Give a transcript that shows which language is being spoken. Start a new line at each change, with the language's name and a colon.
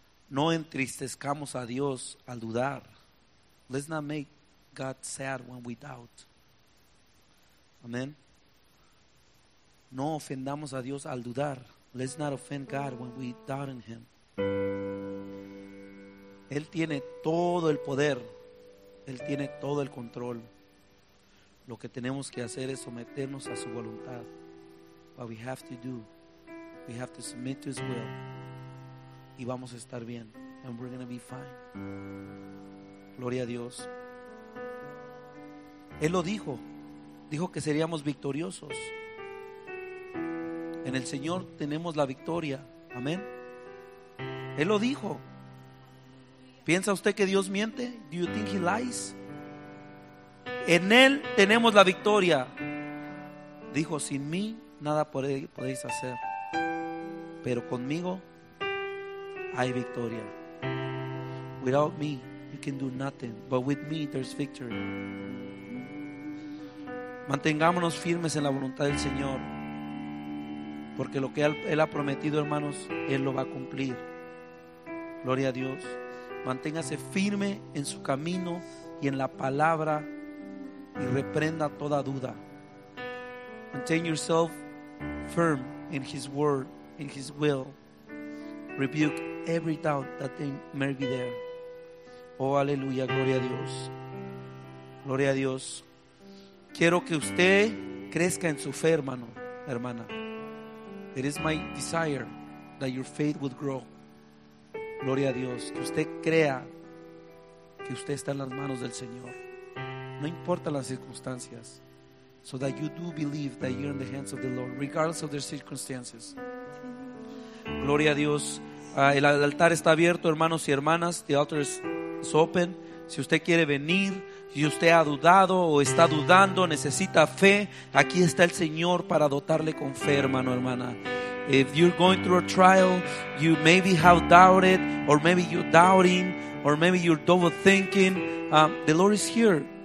Spanish: No entristezcamos a Dios al dudar.
English: Let's not make God sad when we doubt. Amen.
Spanish: No ofendamos a Dios al dudar.
English: Let's not offend God when we doubt in Him.
Spanish: Él tiene todo el poder. Él tiene todo el control. Lo que tenemos que hacer es someternos a su voluntad. What we have to do, we have to submit to His will. Y vamos a estar bien. And we're going to be fine. Gloria a Dios. Él lo dijo. Dijo que seríamos victoriosos. En el Señor tenemos la victoria. Amén. Él lo dijo. ¿Piensa usted que Dios miente?
English: Do you think He lies?
Spanish: En Él tenemos la victoria. Dijo, sin mí nada podéis hacer. Pero conmigo hay victoria.
English: Without me, you can do nothing. But with me, there's victory.
Spanish: Mantengámonos firmes en la voluntad del Señor. Porque lo que Él ha prometido, hermanos, Él lo va a cumplir. Gloria a Dios. Manténgase firme en su camino y en la palabra. Y reprenda toda duda.
English: Maintain yourself firm in His word, in His will. Rebuke every doubt that may be there.
Spanish: Oh, aleluya, gloria a Dios. Gloria a Dios. Quiero que usted crezca en su fe, hermano, hermana.
English: It is my desire that your faith would grow.
Spanish: Gloria a Dios. Que usted crea que usted está en las manos del Señor. No importa las circunstancias.
English: So that you do believe that you're in the hands of the Lord, regardless of the circumstances.
Spanish: Gloria a Dios. El altar está abierto, hermanos y hermanas.
English: The altar is open.
Spanish: Si usted quiere venir, si usted ha dudado o está dudando, necesita fe, aquí está el Señor para dotarle con fe, hermano, hermana.
English: If you're going through a trial, you maybe have doubted, or maybe you're doubting, or maybe you're double thinking, the Lord is here.